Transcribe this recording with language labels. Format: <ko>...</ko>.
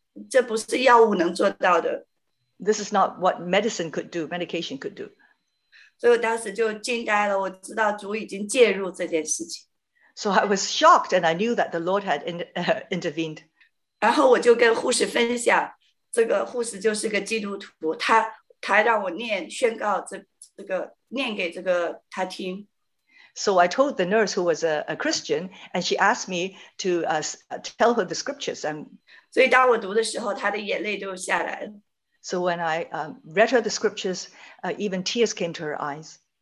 <zh>这不是药物能做到的。</zh> <en>This is not what medicine could do, medication could do.</en> <zh>所以我当时就惊呆了，我知道主已经介入这件事情。</zh> <en>So I was shocked, and I knew that the Lord had intervened.</en> <zh>然后我就跟护士分享，这个护士就是个基督徒，他让我念宣告这个念给这个他听。</zh> <en>So I told the nurse who was a Christian, and she asked me to tell her the scriptures. And</en> <zh>所以当我读的时候，她的眼泪就下来了。</zh> <en>So when I read her the scriptures, even tears came to her eyes.</en>